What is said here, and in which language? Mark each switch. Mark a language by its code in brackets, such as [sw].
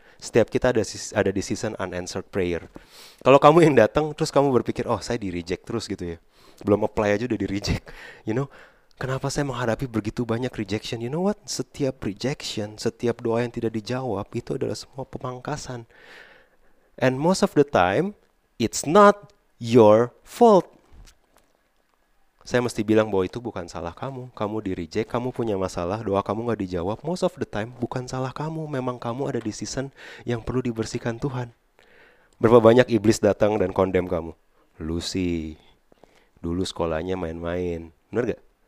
[id] Setiap kita ada di season unanswered prayer. Kalau kamu yang datang, terus kamu berpikir, oh saya di reject terus gitu ya. Belum apply aja udah di reject. [en] You know, [id] kenapa saya menghadapi begitu banyak rejection? [en] You know what? [id] Setiap rejection, setiap doa yang tidak dijawab, itu adalah semua pemangkasan. [en] And most of the time, it's not your fault. [id] Saya mesti bilang bahwa itu bukan salah kamu. Kamu di reject, kamu punya masalah, doa kamu gak dijawab. [en] Most of the time, [id] bukan salah kamu. Memang kamu ada di season yang perlu dibersihkan Tuhan. Berapa banyak iblis datang dan condemn kamu? Lucy, dulu sekolahnya main-main. Benar gak?